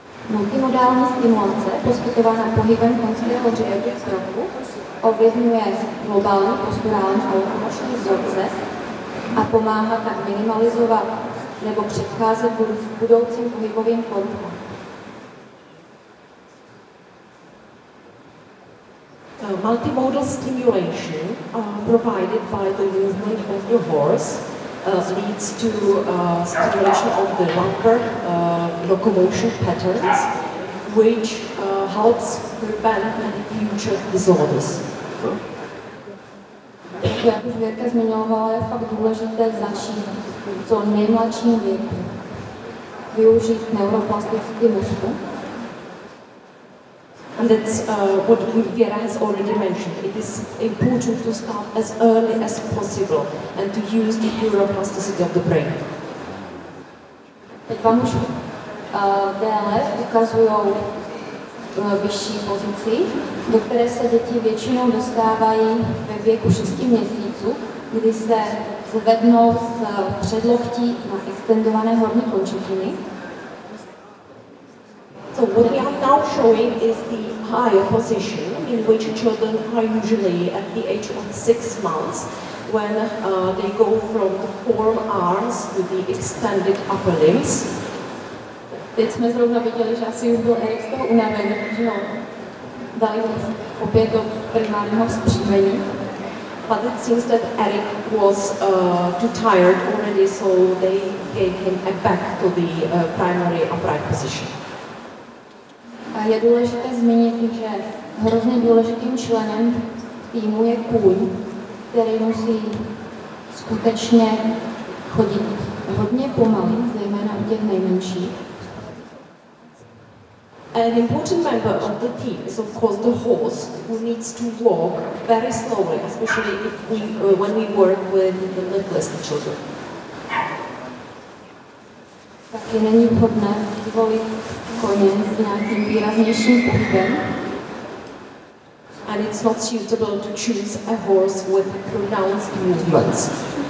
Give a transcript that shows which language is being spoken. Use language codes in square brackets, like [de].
[cs] Multimodální stimulace, poskytovaná pohybem konského řebu v kroku, ovlivňuje globální posturální a lokomoční vzorce a pomáhá tak minimalizovat nebo předcházet budoucím pohybovým kontrolům. [en] Multimodal stimulation provided by the movement of the horse leads to stimulation of the lumbar locomotion patterns, which helps prevent any future disorders. [cs] Takže jak už Věrka zmiňovala, je fakt důležité začít v co nejmladším věku využít neuroplasticity mozku. [en] And that's what Vera has already mentioned. It is important to start as early as possible and to use the neuroplasticity of the brain. [cs] Teď vám už déle ukazujou vyšší pozici, do které se děti většinou dostávají ve věku 6 měsíců, kdy se zvednou z předloktí na extendované horní končetiny. [en] So what we are now showing is the higher position in which children are usually at the age of 6 months when they go from the forearms to the extended upper limbs. [cs] Teď jsme zrovna viděli, že asi už byl Erik z toho unaven, že ho dali opět do primárního skřívení. [en] But it seems that Erik was too tired already, so they gave him a back to the primary upright position. [cs] A je důležité zmínit, že hrozně důležitým členem týmu je kůň, který musí skutečně chodit hodně pomalý, zejména u těch nejmenších. [en] An important member of the team is, of course, the horse, who needs to walk very slowly, especially if we, when we work with the littlest children. [cs] Taky není vhodné volit koně s nějakým výraznějším pohybem. [en] And it's not suitable to choose a horse with pronounced movements.